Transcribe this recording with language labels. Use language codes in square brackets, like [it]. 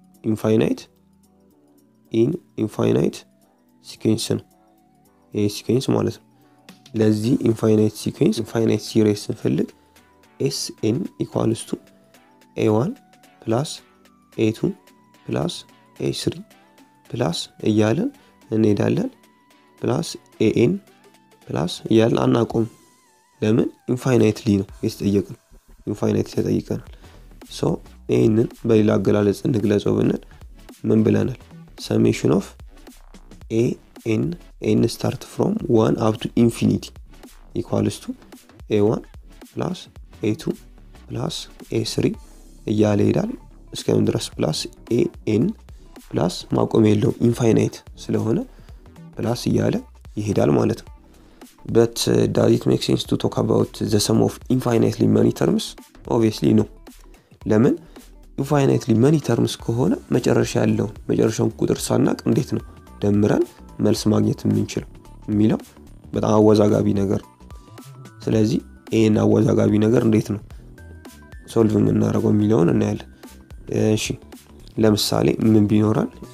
[am] ኢንፋይናይት [en] in infinite sequence [am] ነው ይሄ ስኬንስ ማለት ነው። ለዚህ ኢንፋይናይት ሲኩዌንስ ኢንፋይናይት ሲሪስ ንፈልግ [en] SN equals to A1 plus A2 plus A3 plus [am] እያለን እንሄዳለን [en] plus AN plus [am] እያለን አናቆም። ለምን? ኢንፋይናይትሊ ነው የተጠየቀን። ኢንፋይናይት ተጠይቀናል። ሶ AN በሌላ አገላለጽ እንግለጸው ብንል ምን ብለናል? [en] summation of AN n start from 1 up to infinity equals to a1 plus a2 plus a3 [am] እያለ ይላል እስከምን ድረስ [en] plus an plus [am] ማቆም የለው [en] infinite ስለሆነ plus [am] እያለ ይሄዳል ማለት ነው። [en] But does it make sense to talk about the sum of infinitely many terms? Obviously no. [am] ለምን? [en] infinitely many terms [am] ከሆነ መጨረሻ ያለው መጨረሻውን ቁጥር ሳናቅ እንዴት ነው ደምረን መልስ ማግኘት የምንችለው የሚለው በጣም አወዛጋቢ ነገር። ስለዚህ ኤን አወዛጋቢ ነገር እንዴት ነው ሶልቭ የምናደርገው የሚለውን እናያለን። እሺ ለምሳሌ ምን ቢኖራል?